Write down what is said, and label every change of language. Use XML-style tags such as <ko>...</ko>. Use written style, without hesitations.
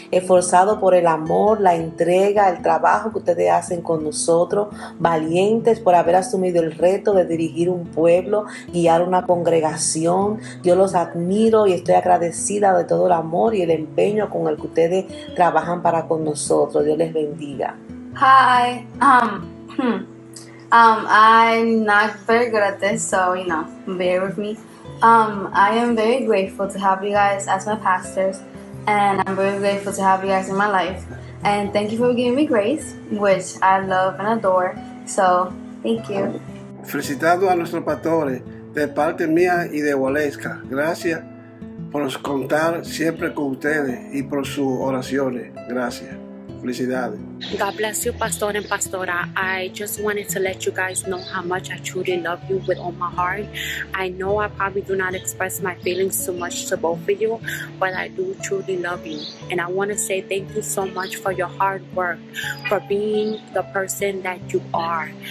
<es>Esforzado por el amor, la entrega, el trabajo que ustedes hacen con nosotros. Valientes por haber asumido el reto de dirigir un pueblo, guiar una congregación. Yo los admiro y estoy agradecida de todo el amor y el empeño con el que ustedes trabajan para con nosotros. Dios les bendiga.</es> <en>Hi, I'm not very good at this, so, you know, bear with me. I am very grateful to have you guys as my pastors, and I'm very grateful to have you guys in my life. And thank you for giving me grace, which I love and adore, so, thank you.</en> <es>Felicitado a nuestros pastores, de parte mía y de Waleska. Gracias por contar siempre con ustedes y por sus oraciones. Gracias.</es> <en>God bless you, Pastor and Pastora. I just wanted to let you guys know how much I truly love you with all my heart. I know I probably do not express my feelings too much to both of you, but I do truly love you. And I want to say thank you so much for your hard work, for being the person that you are.</en>